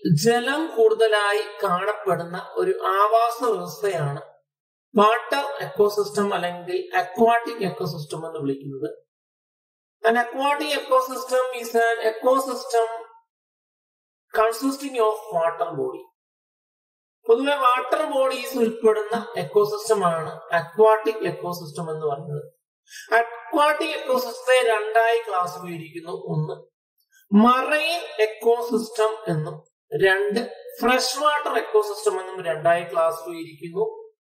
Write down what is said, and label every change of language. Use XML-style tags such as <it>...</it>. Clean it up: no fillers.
<ml>ജലം കൂടുതലായി കാണപ്പെടുന്ന ഒരു ആവാസ വ്യവസ്ഥയാണ് വാട്ടർ എക്കോസിസ്റ്റം അല്ലെങ്കിൽ അക്വാട്ടിക് എക്കോസിസ്റ്റം എന്ന് വിളിക്കുന്നത്.</ml> <en>An aquatic ecosystem is an ecosystem consisting of water body.</en> <ml>പൊതുവെ വാട്ടർ ബോഡീസ് ഉൾപ്പെടുന്ന എക്കോസിസ്റ്റമാണ് അക്വാട്ടിക് എക്കോസിസ്റ്റം എന്ന് പറയുന്നത്. അക്വാട്ടിക് എക്കോസിസ്റ്റത്തെ രണ്ടായി ക്ലാസ്സിഫൈക്കുന്നു. ഒന്ന് മറൈൻ എക്കോസിസ്റ്റം എന്നും രണ്ട് ഫ്രഷ് വാട്ടർ എക്കോസിസ്റ്റം എന്നും രണ്ടായി ക്ലാസ്സിഫൈക്കുന്നു.</ml>